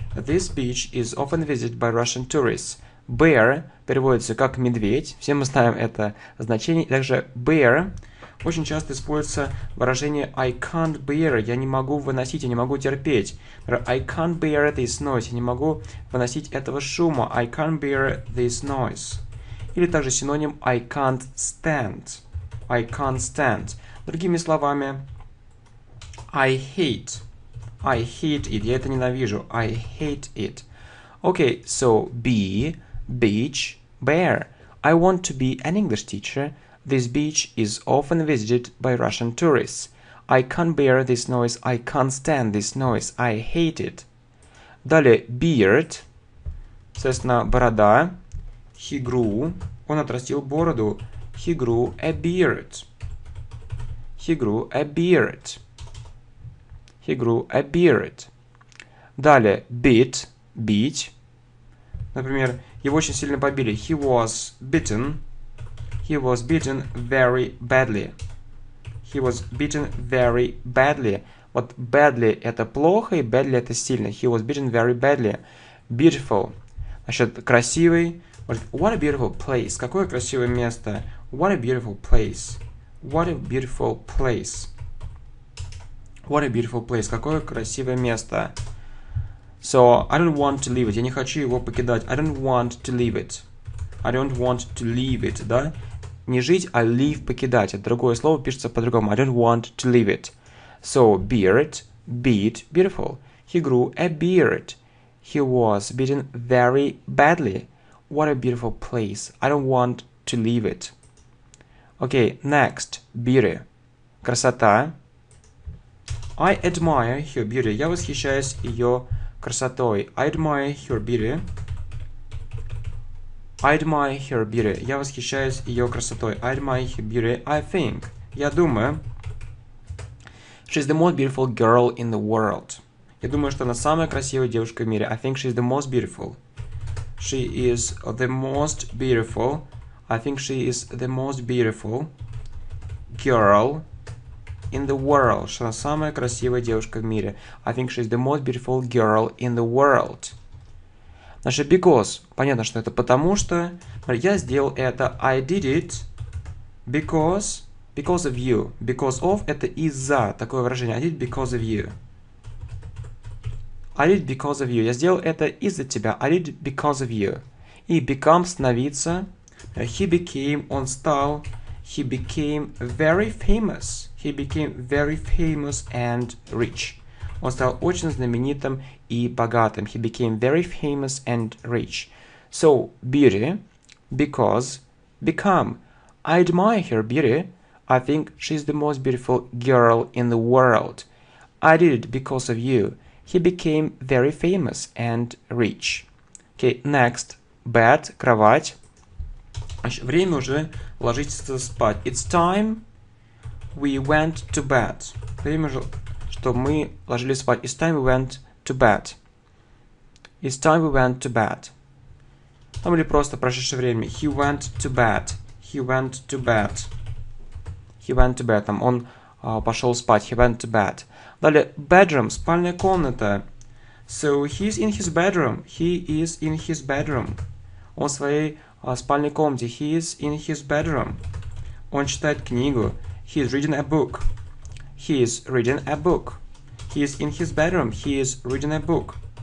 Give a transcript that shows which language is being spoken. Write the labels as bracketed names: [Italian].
[English] This beach is often visited by Russian tourists. [Russian] Bear переводится как медведь. Все мы знаем это значение. Также bear. Очень часто используется выражение [English] I can't bear, [Russian] я не могу выносить, я не могу терпеть. [English] I can't bear this noise, [Russian] я не могу выносить этого шума. [English] I can't bear this noise. [Russian] Или также синоним [English] I can't stand. I can't stand. [Russian] Другими словами, [English] I hate. I hate it, [Russian] я это ненавижу. [English] I hate it. Okay, so be, beach, bear. I want to be an English teacher. This beach is often visited by Russian tourists. I can't bear this noise. I can't stand this noise. I hate it. [Russian] Далее, beard. Соответственно, борода. [English] He grew. [Russian] Он отрастил бороду. [English] He grew a beard. He grew a beard. He grew a beard. [Russian] Далее, beat. Бить. Например, его очень сильно побили. [English] He was beaten. He was beaten very badly. He was beaten very badly. [Russian] Вот badly это плохо и badly это сильно. [English] He was beaten very badly. Beautiful. [Russian] Значит, красивый. [English] What a beautiful place. [Russian] Какое красивое место. [English] What a beautiful place. What a beautiful place. What a beautiful place. [Russian] Какое красивое место. [English] So, I don't want to leave it. [Russian] Я не хочу его покидать. [English] I don't want to leave it. I don't want to leave it, да? [Russian] Не жить, а leave, покидать. Это другое слово, пишется по-другому. [English] I don't want to leave it. So, beard, beat, beautiful. He grew a beard. He was beaten very badly. What a beautiful place. I don't want to leave it. Okay, next. Beauty. Красота. I admire her beauty. [Russian] Я восхищаюсь ее красотой. [English] I admire her beauty. I admire her beauty. [Russian] Я восхищаюсь ее красотой. [English] I admire her beauty. I think. [Russian] Я думаю. [English] She's the most beautiful girl in the world. [Russian] Я думаю, что она самая красивая девушка в мире. [English] I think she's the most beautiful. She is the most beautiful. I think she is the most beautiful girl in the world. [Russian] Что она самая красивая девушка в мире. [English] I think she's the most beautiful girl in the world. Наше because. [Russian] Понятно, что это потому что. Я сделал это. [English] I did it because of you. [Russian] Because of – это из-за. Такое выражение. [English] I did because of you. I did because of you. [Russian] Я сделал это из-за тебя. [English] I did because of you. [Russian] И become – становиться. [English] He became – [Russian] он стал. [English] He became very famous. He became very famous and rich. [Russian] Он стал очень знаменитым и богатым. [English] He became very famous and rich. So, beauty, because, become. I admire her beauty. I think she's the most beautiful girl in the world. I did it because of you. He became very famous and rich. Okay, next. [Russian] Bed, кровать. Время уже ложиться спать. [English] It's time we went to bed. [Russian] Время уже, что мы ложились спать. [English] It's time we went to bed. It's time we went to bed. [Russian] Там или просто прошедшее время. [English] He went to bed. He went to bed. He went to bed. [Russian] Там он пошел спать. [English] He went to bed. [Russian] Далее, bedroom, спальная комната. [English] So, he's in his bedroom. He is in his bedroom. [Russian] Он в своей спальной комнате. [English] He is in his bedroom. [Russian] Он читает книгу. [English] He is reading a book. He is reading a book. He is in his bedroom. He is reading a book.